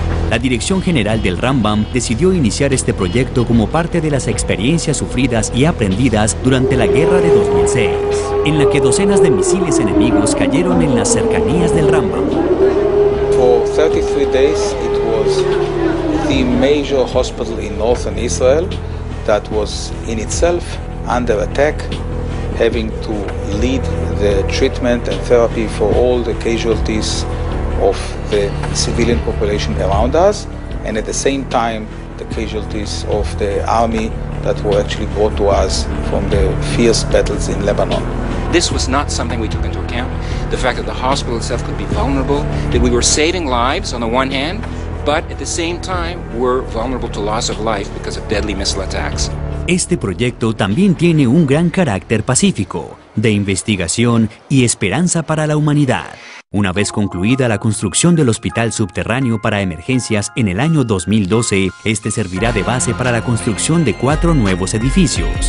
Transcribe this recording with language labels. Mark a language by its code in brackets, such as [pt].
[es] La Dirección General del Rambam decidió iniciar este proyecto como parte de las experiencias sufridas y aprendidas durante la guerra de 2006, en la que docenas de misiles enemigos cayeron en las cercanías del Rambam. [en] For 33 days, it was the major hospital in northern Israel that was in itself under attack, having to lead the treatment and therapy for all the casualties of the civilian population around us, and at the same time, the casualties of the army that were actually brought to us from the fierce battles in Lebanon. This was not something we took into account. The fact that the hospital itself could be vulnerable, that we were saving lives on the one hand, but at the same time, we're vulnerable to loss of life because of deadly missile attacks. [es] Este proyecto también tiene un gran carácter pacífico, de investigación y esperanza para la humanidad. Una vez concluida la construcción del hospital subterráneo para emergencias en el año 2012, este servirá de base para la construcción de 4 nuevos edificios.